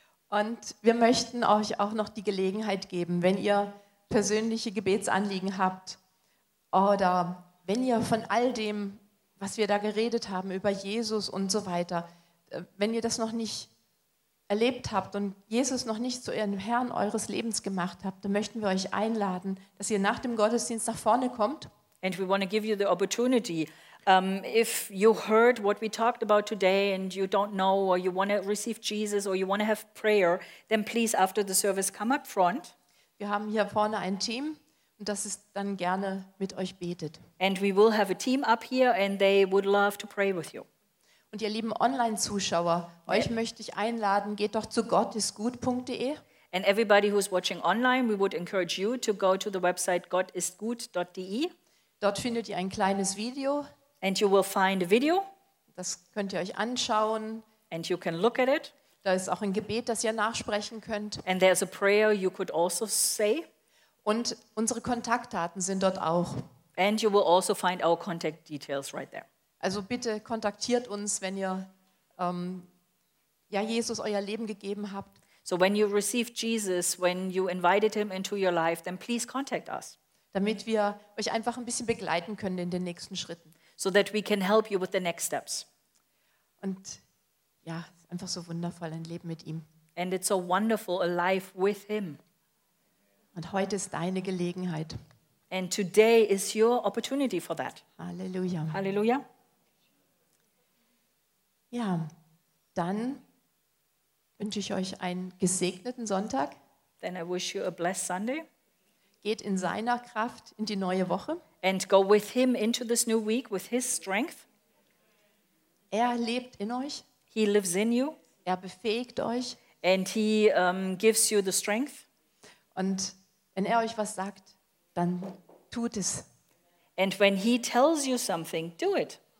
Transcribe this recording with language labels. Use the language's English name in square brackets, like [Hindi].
[German] Und wir möchten euch auch noch die Gelegenheit geben, wenn ihr persönliche Gebetsanliegen habt oder wenn ihr von all dem, was wir da geredet haben über Jesus und so weiter, wenn ihr das noch nicht erlebt habt und Jesus noch nicht zu eurem Herrn eures Lebens gemacht habt, dann möchten wir euch einladen, dass ihr nach dem Gottesdienst nach vorne kommt. [English] And we want to give you the opportunity. If you heard what we talked about today and you don't know or you want to receive Jesus or you want to have prayer, then please after the service come up front. [German] Wir haben hier vorne ein Team und das ist dann gerne mit euch betet. [English] And we will have a team up here and they would love to pray with you. [German] Und ihr lieben Online-Zuschauer, euch möchte ich einladen, geht doch zu gottisgut.de. [English] And everybody who's watching online, we would encourage you to go to the website gottisgut.de. [German] Dort findet ihr ein kleines Video. [English] And you will find a video. [German] Das könnt ihr euch anschauen. [English] And you can look at it. [German] Da ist auch ein Gebet, das ihr nachsprechen könnt. [English] And there's a prayer you could also say. [German] Und unsere Kontaktdaten sind dort auch. [English] And you will also find our contact details right there. [German] Also bitte kontaktiert uns, wenn ihr ja, Jesus euer Leben gegeben habt. [English] So when you received Jesus, when you invited him into your life, then please contact us. [German] Damit wir euch einfach ein bisschen begleiten können in den nächsten Schritten. [English] So that we can help you with the next steps. [German] Und ja, einfach so wundervoll, ein Leben mit ihm. [English] And it's so wonderful, a life with him. [German] Und heute ist deine Gelegenheit. [English] And today is your opportunity for that. [German] Halleluja. [English] Halleluja. [German] Ja, dann wünsche ich euch einen gesegneten Sonntag. [English] Then I wish you a blessed Sunday. [German] Geht in seiner Kraft in die neue Woche. [English] And go with him into this new week with his strength. [German] Er lebt in euch. [English] He lives in you. [German] Er befähigt euch. [English] And he gives you the strength. [German] Und wenn er euch was sagt, dann tut es. [English] And when he tells you something, do it.